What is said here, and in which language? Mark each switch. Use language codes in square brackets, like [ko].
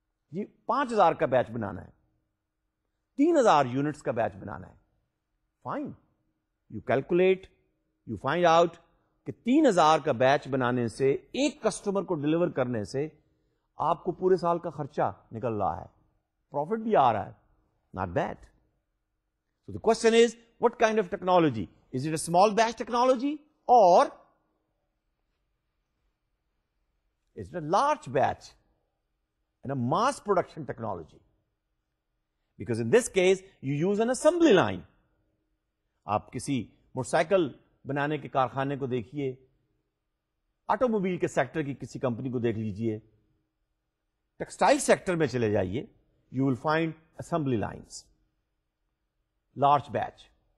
[ur] جی, 5,000 کا بیچ بنانا ہے, 3,000 یونٹس کا بیچ بنانا ہے, fine. [en] you calculate, you find out [ur] کہ 3,000 کا بیچ بنانے سے ایک کسٹمر کو ڈلیور کرنے سے آپ کو پورے سال کا خرچہ نکل رہا ہے, پروفٹ بھی آ رہا ہے, [en] Not bad. So the question is, what kind of technology, is it a small batch technology اور is it a large batch and a mass production technology? Because in this case you use an assembly line. [ur] آپ کسی motor cycle بنانے کے کارخانے کو دیکھیے, automobile کے sector کی کسی کمپنی کو دیکھ لیجیے, ٹیکسٹائل سیکٹر میں چلے جائیے, [en] You will find assembly lines, large batch.